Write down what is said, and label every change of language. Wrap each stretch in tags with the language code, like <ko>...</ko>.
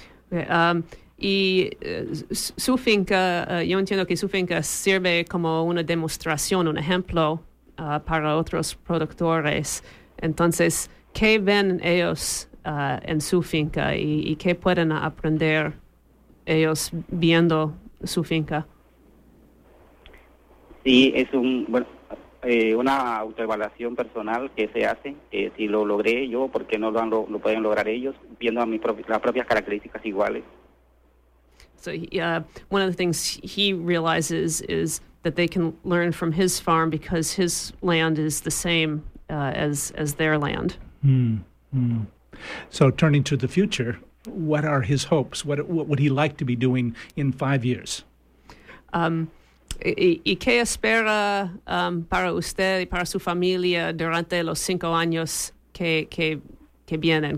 <es>Y su finca, yo entiendo que su finca sirve como una demostración, un ejemplo para otros productores. Entonces, ¿qué ven ellos en su finca y qué pueden aprender ellos viendo su finca? Sí, es un bueno. Una autoevaluación personal que se hace, que si lo logré yo, ¿por qué no lo pueden lograr ellos? Viendo a las propias características iguales.</es> <en>So one of the things he realizes is that they can learn from his farm because his land is the same as their land. So turning to the future, what are his hopes? What would he like to be doing in 5 years?</en> <es>¿Y qué espera para usted y para su familia durante los 5 años que vienen?</es>